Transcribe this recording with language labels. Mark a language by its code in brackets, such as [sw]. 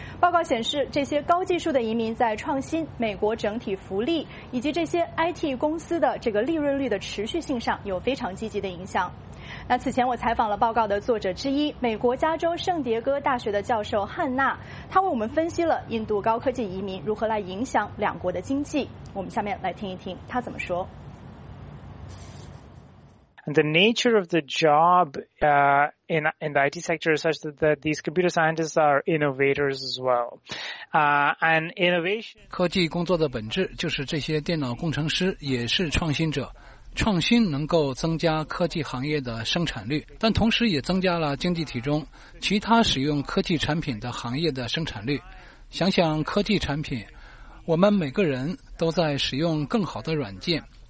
[zh] 报告显示，这些高技术的移民在创新、美国整体福利以及这些 IT 公司的这个利润率的持续性上有非常积极的影响。那此前我采访了报告的作者之一，美国加州圣迭戈大学的教授汉娜，他为我们分析了印度高科技移民如何来影响两国的经济。我们下面来听一听他怎么说。 [en] And the nature of the job, in the IT sector is such that these computer scientists are innovators as well. And innovation. [zh] 科技工作的本质就是这些电脑工程师也是创新者。创新能够增加科技行业的生产率，但同时也增加了经济体中其他使用科技产品的行业的生产率。想想科技产品，我们每个人都在使用更好的软件。